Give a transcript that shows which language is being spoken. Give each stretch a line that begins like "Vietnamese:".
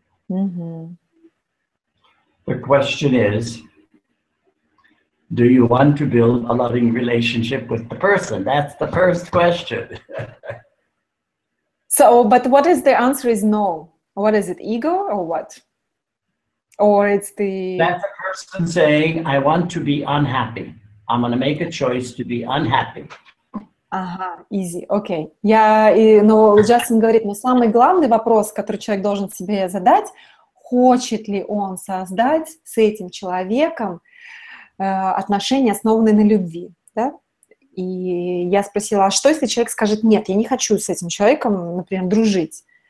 English: Mm-hmm. The question is, do you want to build a loving relationship with the person? That's the first question. So, but what is the answer is no. What is it, ego or what? Or it's the... That's a person saying, I want to be unhappy. I'm going to make a choice to be unhappy. Ага, easy, okay.
Russian: Я, но Джастин говорит, но самый главный вопрос, который человек должен себе задать, хочет ли он создать с этим человеком отношения, основанные на любви, да? И я спросила, а что, если человек скажет, нет, я не хочу с этим человеком, например, дружить?